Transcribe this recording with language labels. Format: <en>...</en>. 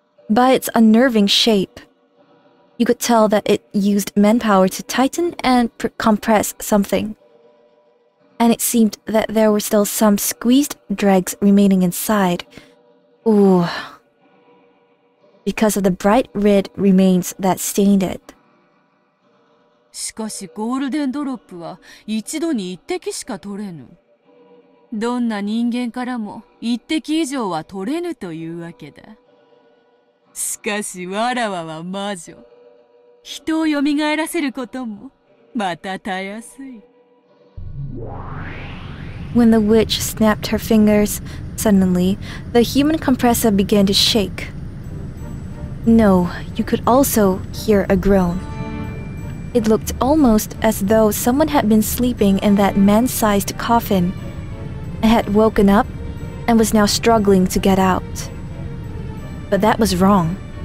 <en>By its unnerving shape, you could tell that it used manpower to tighten and compress something. And it seemed that there were still some squeezed dregs remaining inside, Ooh. Because of the bright red remains that stained it.</en> <ja>しかしゴールデンドロップは一度に一滴しか取れぬ。どんな人間からも一滴以上は取れぬというわけだ。しかしわらわは魔女。人をよみがえらせることもまたたやすい。</ja> <en>When the witch snapped her fingers, suddenly, the human compressor began to shake. No, you could also hear a groan. It looked almost as though someone had been sleeping in that man-sized coffin, and had woken up and was now struggling to get out. But that was wrong.</en>